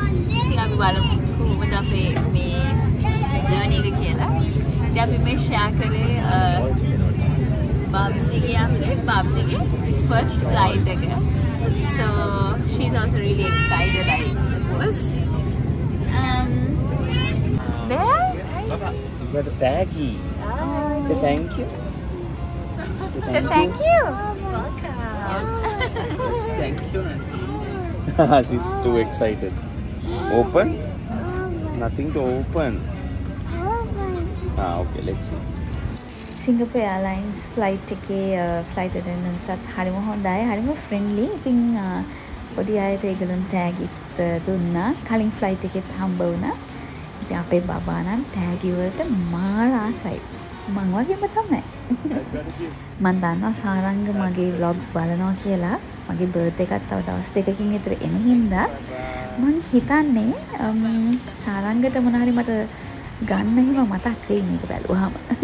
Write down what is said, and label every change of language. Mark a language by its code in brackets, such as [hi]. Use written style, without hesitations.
[si] ඉතින් අපි බලමු කොහොමද අපේ මේ ජර්නි එක කියලා. ඉතින් අපි මේ ෂෙයා කරේ බබ්සිගේ ෆස්ට් ෆ්ලයිට් එක. [en] So she's also really excited, I suppose. Baba, you got a baggy. Say thank you. Say thank you. Welcome. Thank you. She's too excited. Open? Nothing to open. Okay, let's see. [si] Singapore Airlines flight එකේ flight attendantsත් හරිම හොඳයි, හරිම friendly. ඉතින් පොඩි අයට ඒගොල්ලන් තෑගිත් දුන්නා. කලින් flight එකෙත් හම්බ වුණා. ඉතින් අපේ බබා නම් තෑගි වලට මාරාසයි. මං වගේම තමයි. මං දන්නවා සාරංග මගේ vlogs බලනවා කියලා. මගේ birthday එකත් තව දවස් දෙකකින් විතර එන හින්දා මං හිතන්නේ සාරංගට මොන හරි මට ගන්න හිම මතක් වෙයි මේක බැලුවාම.